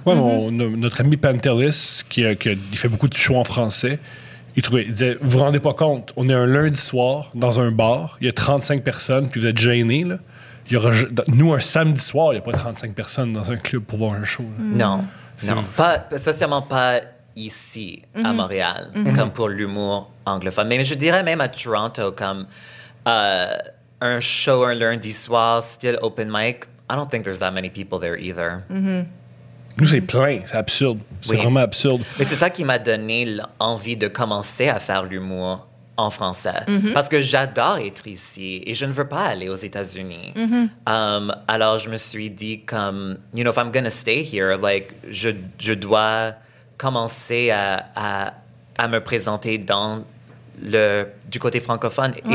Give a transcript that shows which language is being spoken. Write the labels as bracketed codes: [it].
[fr] Ouais, notre ami Pantelis, qui fait beaucoup de shows en français, il disait, vous rendez pas compte, on est un lundi soir dans un bar, il y a 35 personnes, puis vous êtes gênés, là. Il y aura, nous, un samedi soir, il y a pas 35 personnes dans un club pour voir un show. Non, pas, spécialement pas ici, à Montréal, comme pour l'humour anglophone. Mais je dirais même à Toronto, comme... [en] un show un lundi soir, still open mic, I don't think there's that many people there either. [fr] Mm-hmm. Nous, c'est plein. C'est absurde. C'est vraiment absurde. Mais c'est ça qui m'a donné l'envie de commencer à faire l'humour en français. Mm-hmm. Parce que j'adore être ici et je ne veux pas aller aux États-Unis. Mm-hmm. Alors, je me suis dit comme, [en] you know, if I'm gonna stay here, like, [fr] je dois commencer à me présenter dans... du côté francophone. Ouais.